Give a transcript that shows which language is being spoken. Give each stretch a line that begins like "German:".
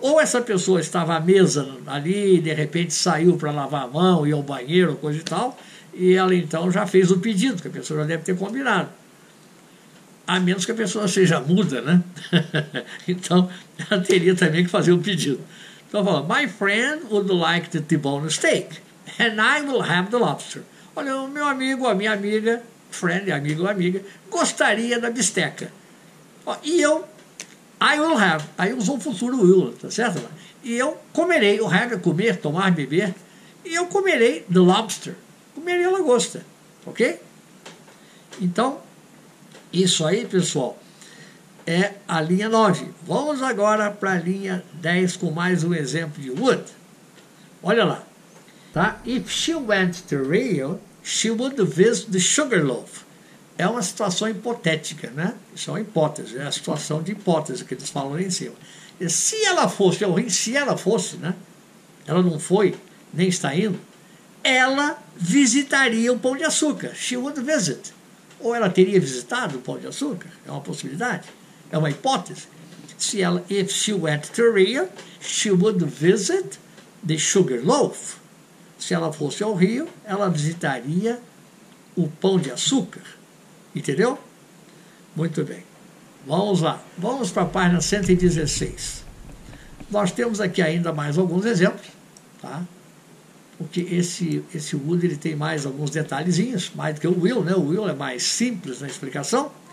Portuguese: Ou essa pessoa estava à mesa ali, de repente saiu para lavar a mão, ia ao banheiro, coisa e tal, e ela então já fez o pedido, que a pessoa já deve ter combinado. A menos que a pessoa seja muda, né? Então, ela teria também que fazer o pedido. Então, ela falou,
English: my friend would like the T-bone steak, and I will have the lobster.
Portuguese: Olha, o meu amigo, a minha amiga, friend, amigo ou amiga, gostaria da bisteca. E eu,
English: I will have.
Portuguese: Aí usou o futuro will, tá certo? E eu comerei. O have é comer, tomar, beber. E eu comerei the lobster. Comerei a lagosta. Ok? Então, isso aí, pessoal, é a linha 9. Vamos agora para a linha 10 com mais um exemplo de would. Olha lá. Tá?
English: If she went to Rio, she would visit the Sugarloaf.
Portuguese: É uma situação hipotética, né? Isso é uma hipótese, é a situação de hipótese que eles falam ali em cima. E se ela fosse, se ela fosse, né? Ela não foi, nem está indo, ela visitaria o Pão de Açúcar.
English: She would visit.
Portuguese: Ou ela teria visitado o Pão de Açúcar? É uma possibilidade, é uma hipótese. Se ela,
English: if she went to Rio, she would visit the Sugarloaf.
Portuguese: Se ela fosse ao Rio, ela visitaria o Pão de Açúcar. Entendeu? Muito bem. Vamos lá. Vamos para a página 116. Nós temos aqui ainda mais alguns exemplos, tá? Porque esse would ele tem mais alguns detalhezinhos, mais do que o will, né? O will é mais simples na explicação.